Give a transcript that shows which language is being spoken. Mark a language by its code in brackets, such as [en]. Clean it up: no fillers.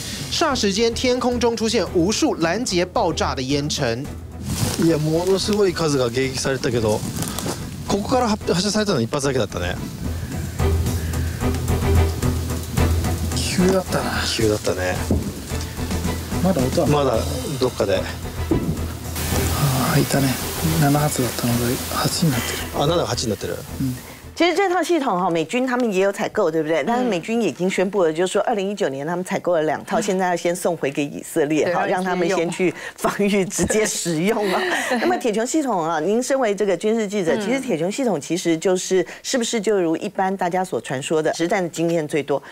[zh] 霎时间天空中出现无数拦截爆炸的烟尘 [ja] いやものすごい数が迎撃されたけどここから発射されたの一発だけだったね急だったな急だったねまだ音はまだどっかで。ああいたね。 7発だったので8になってる。あ、7、8になってる。 [zh] 其实这套系统美军他们也有采购，对不对？但是美军已经宣布了，就是说2019年他们采购了两套，现在要先送回给以色列，好让他们先去防御，直接使用了。那么铁穹系统啊，您身为这个军事记者，其实铁穹系统其实就是是不是就如一般大家所传说的实战的经验最多？